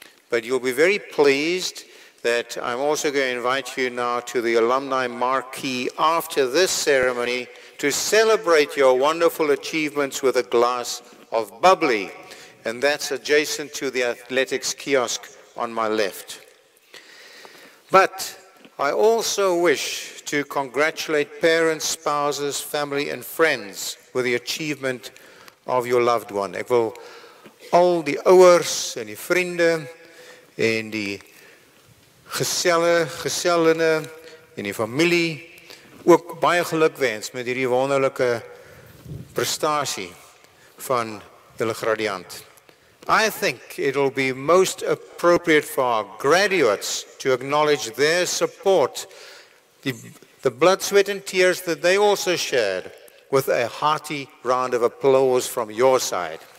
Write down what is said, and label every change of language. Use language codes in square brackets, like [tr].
[en] But you'll be very pleased that I'm also going to invite you now to the alumni marquee after this ceremony to celebrate your wonderful achievements with a glass of bubbly. And that's adjacent to the athletics kiosk on my left. But I also wish to congratulate parents, spouses, family, and friends with the achievement of your loved one. [af] Ek wil al die ouers en die vriende en die geselle, gesellene en die familie ook baie geluk wens met hierdie wonderlike prestasie van julle gradiant. [en] I think it will be most appropriate for our graduates to acknowledge their support, the blood, sweat and tears that they also shared, with a hearty round of applause from your side.